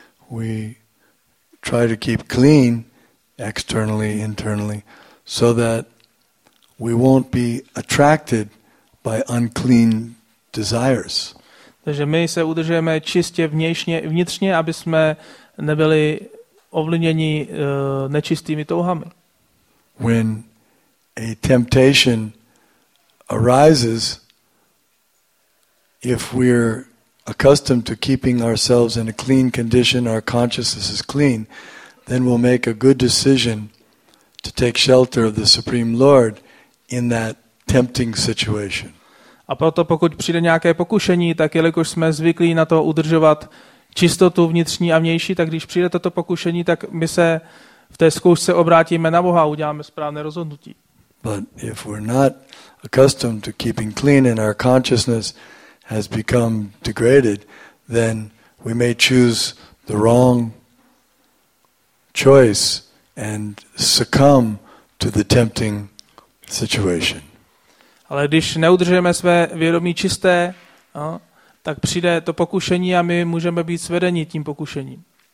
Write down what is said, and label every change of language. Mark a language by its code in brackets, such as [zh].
[en] We try to keep clean externally, internally, so that we won't be attracted by unclean desires. [cs] Takže my se udržujeme čistě vnějšně i vnitřně, aby jsme nebyli ovlivněni nečistými touhami. [en] When a temptation arises, if we're accustomed to keeping ourselves in a clean condition, our consciousness is clean, then we'll make a good decision to take shelter of the Supreme Lord in that tempting situation. [cs] A proto pokud přijde nějaké pokušení, tak jelikož jsme zvyklí na to udržovat čistotu vnitřní a vnější, tak když přijde toto pokušení, tak my se v té zkoušce obrátíme na Boha a uděláme správné rozhodnutí. [en] But if we're not accustomed to keeping clean and our consciousness has become degraded, then we may choose the wrong choice and succumb to the tempting situation. [cs] Ale když neudržujeme své vědomí čisté, no, tak přijde to pokušení a my můžeme být svedeni tím pokušením.